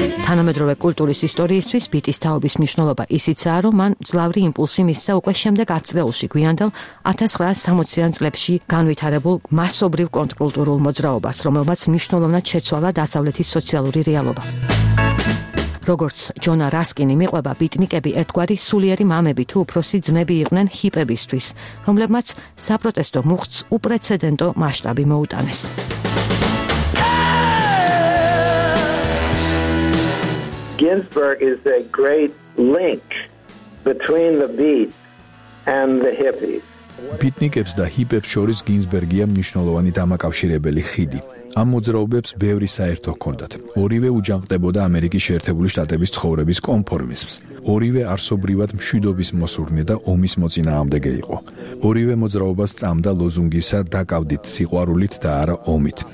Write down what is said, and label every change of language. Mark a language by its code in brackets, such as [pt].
[ka] თანამედროვე კულტურის ისტორიისთვის ბიტის თაობის მნიშვნელობა ისიცაა, რომ მან ძლავრი იმპულსი მისცა უკვე შემდეგ ათწლეულში, გვიანდელ 1960-იან წლებში განვითარებულ მასობრივ კონტრკულტურულ მოძრაობას, რომელმაც მნიშვნელოვნად შეცვალა დასავლეთის სოციალური რეალობა. როგორც ჯონა რასკინი მიყვება, ბიტნიკები ერთგვარი სულიერი მამები თუ უფროსი ძმები იყვნენ ჰიპებისთვის, რომლებმაც საპროტესტო მუხტს უპრეცედენტო მასშტაბი მოუტანეს. [en] Ginsberg is a great link between the beat and the hippies. [ka] Beatnikებს და ჰიპებს შორის გინსბერგია მნიშვნელოვანი დამაკავშირებელი ხიდი. ამ მოძრაობებს ბევრი საერთო ჰქონდათ. ორივე უჯანყდებოდა ამერიკის შეერთებული შტატების ცხოვრების კონფორმიზმს. ორივე არსობრივად მშვიდობის მოსურნე და ომის მოწინააღმდეგე იყო. ორივე მოძრაობა სწამდა ლოზუნგისა „დაკავდით სიყვარულით და არა ომით“.